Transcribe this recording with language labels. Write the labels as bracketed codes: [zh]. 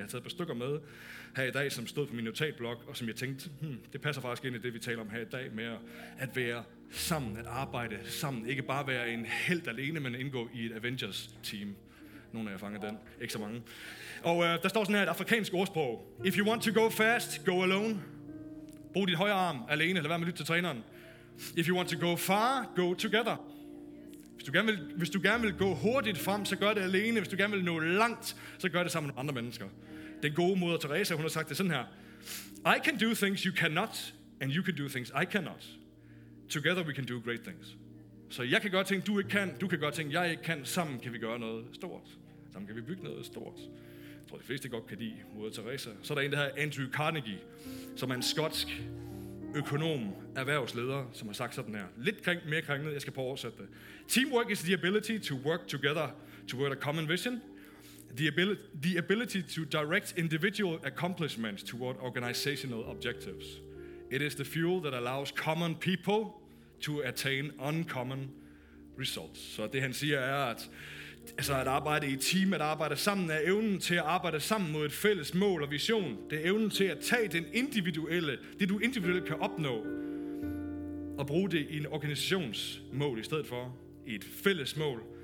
[da] Jeg har taget et par stykker med her i dag, som stod på min notatblok, og som jeg tænkte, det passer faktisk ind i det, vi taler om her i dag, med at være sammen, at arbejde sammen. Ikke bare være en helt alene, men indgå i et Avengers-team. Nogle af jer fanger den. Ikke så mange. Og der står sådan her et afrikansk ordsprog. [en] If you want to go fast, go alone. [da] Brug din højre arm alene, eller vær med at lytte til træneren. [en] If you want to go far, go together. [da] Hvis du gerne vil gå hurtigt frem, så gør det alene. Hvis du gerne vil nå langt, så gør det sammen med andre mennesker. Den gode moder Teresa, hun har sagt det sådan her. [en] I can do things you cannot, and you can do things I cannot. Together we can do great things. [da] Så jeg kan gøre ting, du ikke kan. Du kan gøre ting, jeg ikke kan. Sammen kan vi gøre noget stort. Sammen kan vi bygge noget stort. Jeg tror, de fleste godt kan lide moder Teresa. Så er der en, der hedder Andrew Carnegie, som er en skotsk økonom erhvervsleder, som har sagt sådan her. Lidt mere krænket, jeg skal prøve at oversætte det. [en] Teamwork is the ability to work together toward a common vision. The ability to direct individual accomplishments toward organizational objectives. It is the fuel that allows common people to attain uncommon results. [da] Så det han siger er, at altså at arbejde i team, at arbejde sammen, er evnen til at arbejde sammen mod et fælles mål og vision. Det er evnen til at tage den individuelle, det du individuelt kan opnå, og bruge det i en organisationsmål i stedet for i et fælles mål.